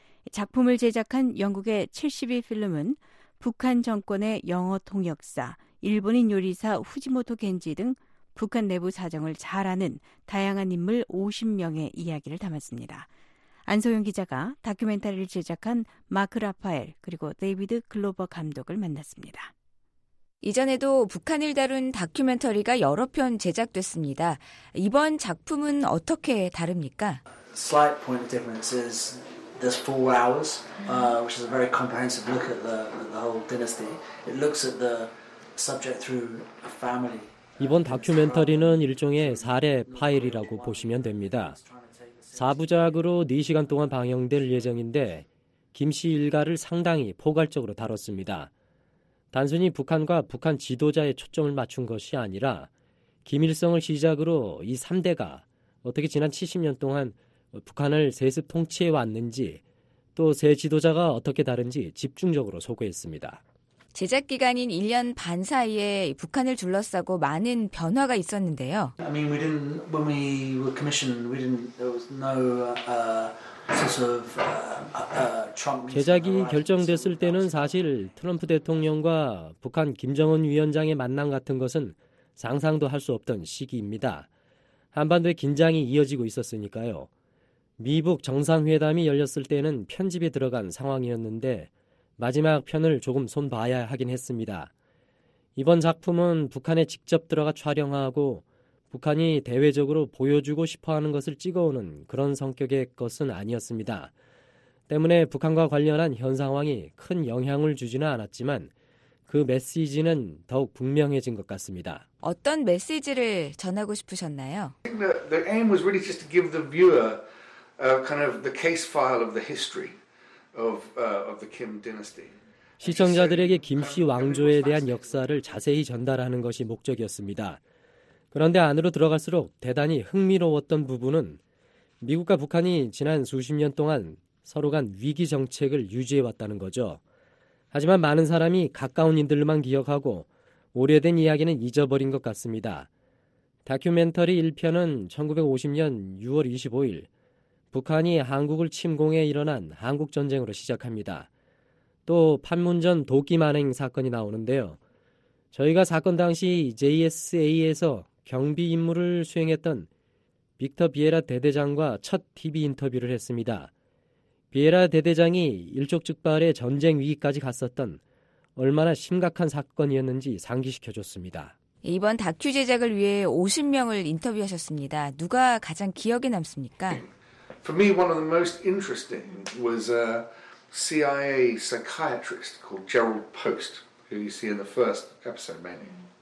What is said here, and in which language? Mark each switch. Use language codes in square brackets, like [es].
[ko] 작품을 제작한 영국의 72 필름은 북한 정권의 영어 통역사, 일본인 요리사 후지모토 겐지 등 북한 내부 사정을 잘 아는 다양한 인물 50명의 이야기를 담았습니다. 안소영 기자가 다큐멘터리를 제작한 마크 라파엘 그리고 데이비드 글로버 감독을 만났습니다. 이전에도 북한을 다룬 다큐멘터리가 여러 편 제작됐습니다. 이번 작품은 어떻게 다릅니까? [en] Slight point of difference is there's 4 hours, which is a very comprehensive look at the whole dynasty. It looks at the subject through a family. [ko] 이번 다큐멘터리는 일종의 사례 파일이라고 보시면 됩니다. 4부작으로 4시간 동안 방영될 예정인데 김 씨 일가를 상당히 포괄적으로 다뤘습니다. 단순히 북한과 북한 지도자에 초점을 맞춘 것이 아니라 김일성을 시작으로 이 3대가 어떻게 지난 70년 동안 북한을 세습 통치해 왔는지 또 새 지도자가 어떻게 다른지 집중적으로 소개했습니다. 제작 기간인 1년 반 사이에 북한을 둘러싸고 많은 변화가 있었는데요. [en] I mean, we didn't, when we were commissioned, we didn't, there was no sort of Trump. [ko] 제작이 결정됐을 때는 사실 트럼프 대통령과 북한 김정은 위원장의 만남 같은 것은 상상도 할 수 없던 시기입니다. 한반도의 긴장이 이어지고 있었으니까요. 미북 정상회담이 열렸을 때는 편집에 들어간 상황이었는데 마지막 편을 조금 손봐야 하긴 했습니다. 이번 작품은 북한에 직접 들어가 촬영하고 북한이 대외적으로 보여주고 싶어하는 것을 찍어오는 그런 성격의 것은 아니었습니다. 때문에 북한과 관련한 현 상황이 큰 영향을 주지는 않았지만 그 메시지는 더욱 분명해진 것 같습니다. 어떤 메시지를 전하고 싶으셨나요? [en] The aim was really just to give the viewer kind of the case file of the history. Of the Kim dynasty. [ko] 시청자들에게 김씨 왕조에 대한 역사를 자세히 전달하는 것이 목적이었습니다. 그런데 안으로 들어갈수록 대단히 흥미로웠던 부분은 미국과 북한이 지난 수십 년 동안 서로 간 위기 정책을 유지해왔다는 거죠. 하지만 많은 사람이 가까운 인들만 기억하고 오래된 이야기는 잊어버린 것 같습니다. 다큐멘터리 1편은 1950년 6월 25일 북한이 한국을 침공해 일어난 한국전쟁으로 시작합니다. 또 판문점 도끼 만행 사건이 나오는데요. 저희가 사건 당시 JSA에서 경비 임무를 수행했던 빅터 비에라 대대장과 첫 TV 인터뷰를 했습니다. 비에라 대대장이 일촉즉발의 전쟁 위기까지 갔었던 얼마나 심각한 사건이었는지 상기시켜줬습니다. 이번 다큐 제작을 위해 50명을 인터뷰하셨습니다. 누가 가장 기억에 남습니까? [en] For me, one of the most interesting was a CIA psychiatrist called Gerald Post, who you see in the first episode mainly.